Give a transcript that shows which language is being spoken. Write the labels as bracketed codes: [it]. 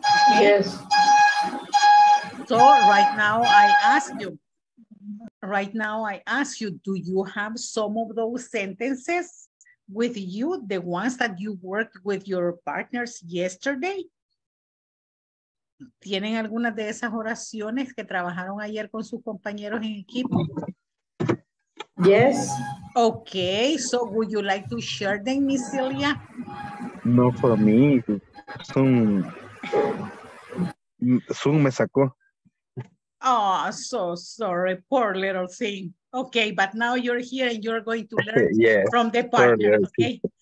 [en] Yes. So right now I ask you, do you have some of those sentences with you, the ones that you worked with your partners yesterday? [es] ¿Tienen alguna de esas oraciones que trabajaron ayer con sus compañeros en equipo? [en] Yes. Okay, so would you like to share them, Miss Celia? No, for me. [es] Zoom me sacó. [en] Oh, so sorry, poor little thing. Okay, but now you're here and you're going to learn from the partner, okay?